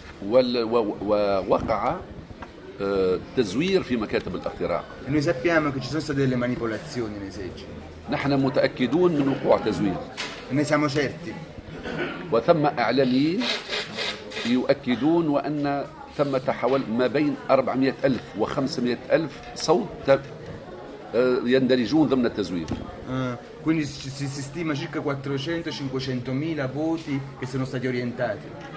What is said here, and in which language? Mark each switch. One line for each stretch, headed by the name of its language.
Arabic: ووقع تزوير في مكاتب الاقتراع.
Italian: Noi sappiamo che ci sono state delle manipolazioni nei seggi.
Arabic: نحن متأكدون من وقوع تزوير.
Italian: Noi siamo certi.
Arabic: وثم إعلاميين يؤكدون وأن ثم تحول ما بين 400 ألف و 500 ألف صوت يندرجون ضمن التزوير.
Italian: Quindi si stima circa 400-500.000 voti che sono stati orientati.